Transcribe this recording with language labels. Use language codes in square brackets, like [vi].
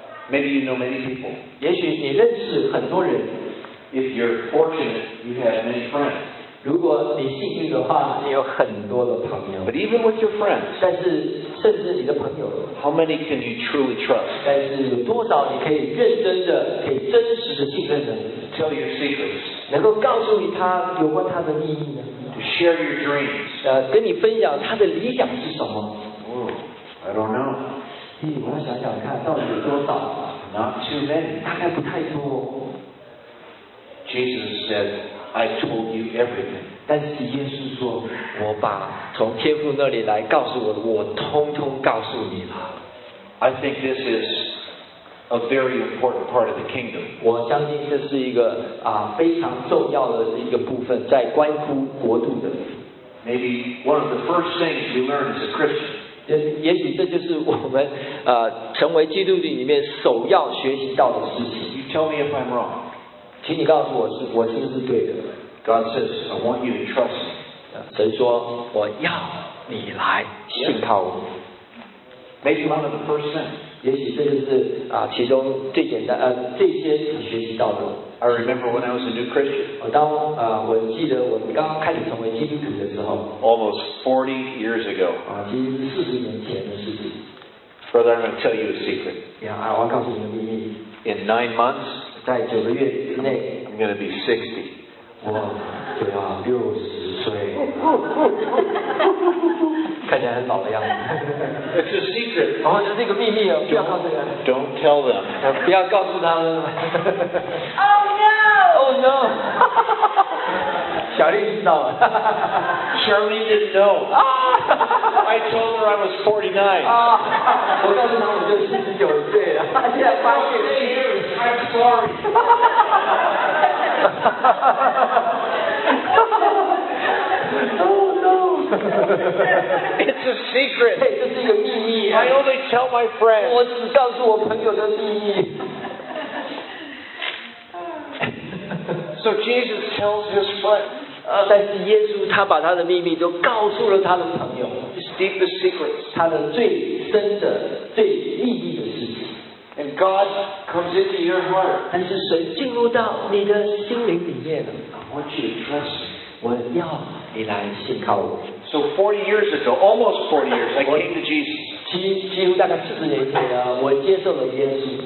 [en] Maybe you know many people. [zh] 也许你认识很多人。 [en] If you're fortunate, you have many friends. [zh] 如果你幸运的话，你有很多的朋友。 [en] But even with your friends, [zh] 但是甚至你的朋友。 [en] How many can you truly trust? [zh] 但是有多少你可以认真的、可以真实的信任的 [en] ？Tell your secrets. [zh] 能够告诉你他有关他的秘密呢 [en] ？To share your dreams. [zh] 跟你分享他的理想是什么 [en] ？Oh, I don't know. [zh] 我要想想看，到底有多少 [en] ？Not too many. [zh] 大概不太多。 [en] Jesus said. I told you everything. [zh] 但是耶稣说，我把从天父那里来告诉我的，我通通告诉你了。 [en] I think this is a very important part of the kingdom. [zh] 我相信这是一个非常重要的一个部分，在关乎国度的。 [en] Maybe one of the first things we learn as a Christian. [zh] 也许这就是我们成为基督徒里面首要学习到的事情。 [en] You tell me if I'm wrong. [zh] 请你告诉我是我是不是对的。 [en] God says, I want you to trust. [zh] 神说我要你来信靠我。 [en] Maybe one of the first things. [zh] 也许这就是其中最简单最先学习到的。 [en] I remember when I was a new Christian. [zh] 我记得我刚开始成为基督徒的时候。 [en] Almost 40 years ago. [zh] 其实是40年前的事情。 [en] Brother, I'm going to tell you a secret. Yeah, I want to tell you a secret. In 9 months. [zh] 在九个月之内 [en] I'm going to be 60. [zh] 我就要60岁。看起来很老的样子。 [en] It's a secret. [zh] 这是一个秘密哦，不要告诉他。 [en] Don't tell them. [zh] 不要告诉他们。 [en] Oh no! Oh no! [zh] 小丽知道了。 [en] Charlene didn't know. I told her I was 49. [zh] 我告诉她我就49岁了。现在发现了。 [en] I'm sorry. Oh no. It's a secret. I only tell my friends. [zh] 我只告诉我朋友的秘密。 [en] So Jesus tells his friend. [zh] 但是耶稣他把他的秘密都告诉了他的朋友。 [en] His deepest secrets. [zh] 他的最深的、最秘密的事情。 [en] And God comes into your heart. [zh] 但是神进入到你的心灵里面了。 [en] I want you to trust. [zh] 我要你来信靠我。 [en] So 40 years ago, almost 40 years, I came to Jesus. [zh] 几乎大概40年前啊，我接受了耶稣。